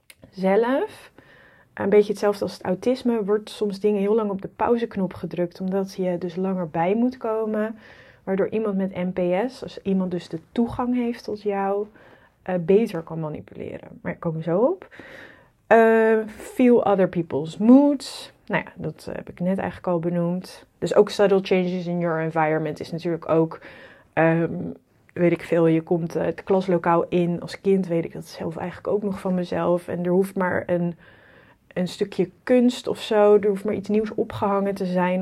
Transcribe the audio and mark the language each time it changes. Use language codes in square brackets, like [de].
[nl] zelf, een beetje hetzelfde als het autisme, wordt soms dingen heel lang op de pauzeknop gedrukt, omdat je dus langer bij moet komen. Waardoor iemand met NPS, als iemand dus de toegang heeft tot jou, beter kan manipuleren. Maar ik kom er zo op. [en] Feel other people's moods. [nl] Nou ja, dat heb ik net eigenlijk al benoemd. Dus ook [en] subtle changes in your environment [nl] is natuurlijk ook, weet ik veel, je komt het klaslokaal in. Als kind weet ik dat zelf eigenlijk ook nog van mezelf. En er hoeft maar een stukje kunst of zo, er hoeft maar iets nieuws opgehangen te zijn.